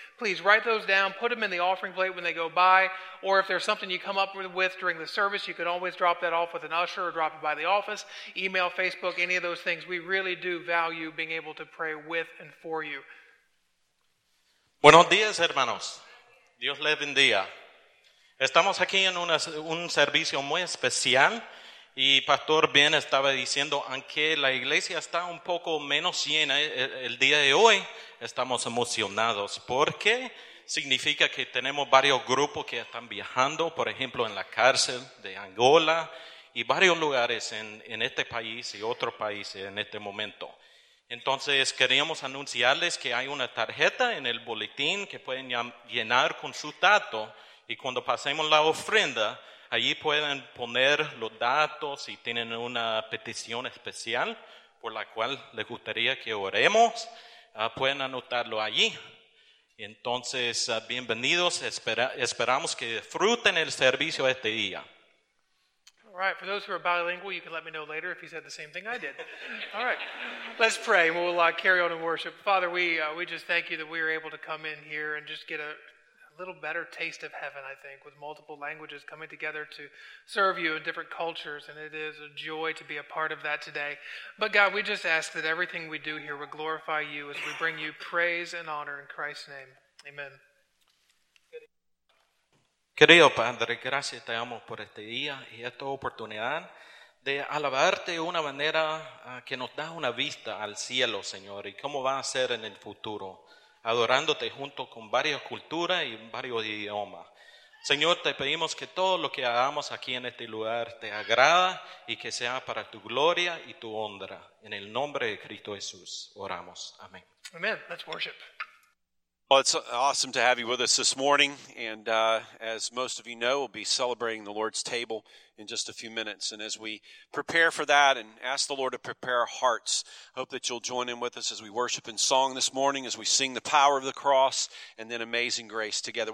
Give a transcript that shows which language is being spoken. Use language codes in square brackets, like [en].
[en] Please write those down, put them in the offering plate when they go by, or if there's something you come up with during the service, you can always drop that off with an usher or drop it by the office, email, Facebook, any of those things. We really do value being able to pray with and for you. [es] Buenos días, hermanos. Dios les bendiga. Estamos aquí en un servicio muy especial y Pastor Ben estaba diciendo, aunque la iglesia está un poco menos llena el día de hoy, estamos emocionados porque significa que tenemos varios grupos que están viajando, por ejemplo, en la cárcel de Angola y varios lugares en este país y otros países en este momento. Entonces, queríamos anunciarles que hay una tarjeta en el boletín que pueden llenar con su dato y cuando pasemos la ofrenda, allí pueden poner los datos y tienen una petición especial por la cual les gustaría que oremos, pueden anotarlo allí. Entonces, bienvenidos, esperamos que disfruten el servicio este día. [en] All right, for those who are bilingual, you can let me know later if you said the same thing I did. All right, let's pray. We'll carry on in worship. Father, we just thank you that we are able to come in here and just get a little better taste of heaven, I think, with multiple languages coming together to serve you in different cultures, and it is a joy to be a part of that today. But God, we just ask that everything we do here would glorify you as we bring you praise and honor in Christ's name. Amen. [es] Querido Padre, gracias te amo por este día y esta oportunidad de alabarte de una manera que nos da una vista al cielo, Señor, y cómo va a ser en el futuro, adorándote junto con varias culturas y varios idiomas. Señor, te pedimos que todo lo que hagamos aquí en este lugar te agrada y que sea para tu gloria y tu honra. En el nombre de Cristo Jesús, oramos. Amén. [en] Amen. Let's worship. Well, it's awesome to have you with us this morning, and as most of you know, we'll be celebrating the Lord's table in just a few minutes, and as we prepare for that and ask the Lord to prepare our hearts, I hope that you'll join in with us as we worship in song this morning, as we sing the power of the cross and then Amazing Grace together.